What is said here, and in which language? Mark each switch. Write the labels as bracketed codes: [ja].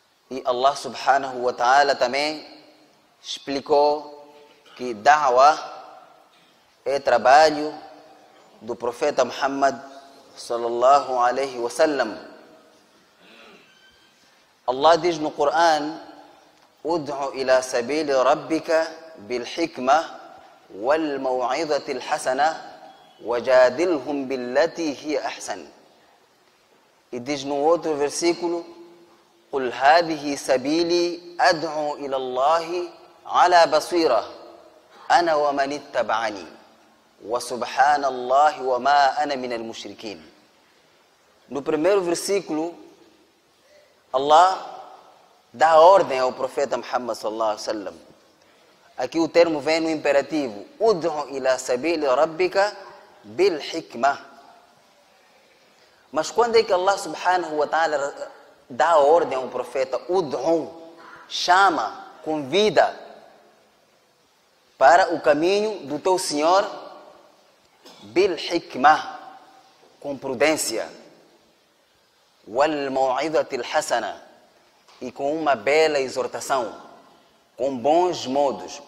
[pt] E Allah subhanahu wa ta'ala também explicou que da'wa é trabalho do profeta Muhammad sallallahu alaihi wa sallam. Allah diz no Quran: [ar] Ud'u ila sabili rabbika bil hikma wal maw'izati al hasana وَجَادِلْهُمْ بِالَّتِي هِيَ أَحْسَنِ. [pt] E diz no outro versículo: [ar] قُلْ هَذِهِ سَبِيلِي أَدْعُوا إِلَى اللَّهِ عَلَى بَصِيرَةٍ أَنَا وَمَنِ اتَّبَعَنِي وَسُبْحَانَ اللَّهِ وَمَا أَنَا مِنَ الْمُشْرِكِينَ. [pt] No primeiro versículo, Allah dá ordem ao profeta Muhammad sallallahu alaihi wasallam. Aqui o termo vem no imperativo: [ar] اُدْعُوا إِلَى سَبِيلِ رَبِّكَ bil hikma. [pt] Mas quando é que Allah subhanahu wa ta'ala dá ordem ao profeta, ud'un, chama, convida para o caminho do teu Senhor, bil hikma, com prudência, [ar] wal maw'izati al hasana, [pt] e com uma bela exortação, com bons modos?